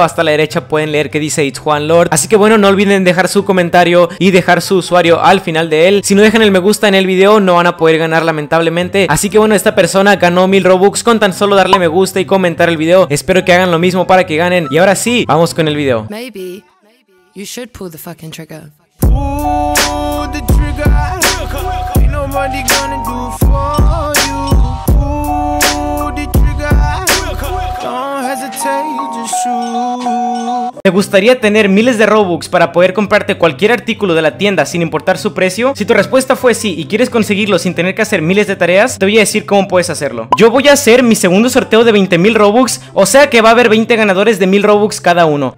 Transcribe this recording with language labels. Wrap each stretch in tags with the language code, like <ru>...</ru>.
<es>Hasta la derecha pueden leer que dice It's Juan Lord. Así que bueno, no olviden dejar su comentario y dejar su usuario al final de él. Si no dejan el me gusta en el video, no van a poder ganar, lamentablemente. Así que bueno, esta persona ganó 1000 Robux con tan solo darle me gusta y comentar el video. Espero que hagan lo mismo para que ganen. Y ahora sí, vamos con el video.</es> <en>Maybe you should pull the fucking trigger. Pull the trigger. Ain't nobody gonna do for you. Pull the trigger. Don't hesitate, just shoot.</en> <es>¿Te gustaría tener miles de Robux para poder comprarte cualquier artículo de la tienda sin importar su precio? Si tu respuesta fue sí y quieres conseguirlo sin tener que hacer miles de tareas, te voy a decir cómo puedes hacerlo. Yo voy a hacer mi segundo sorteo de 20.000 Robux, o sea que va a haber 20 ganadores de 1000 Robux cada uno.</es>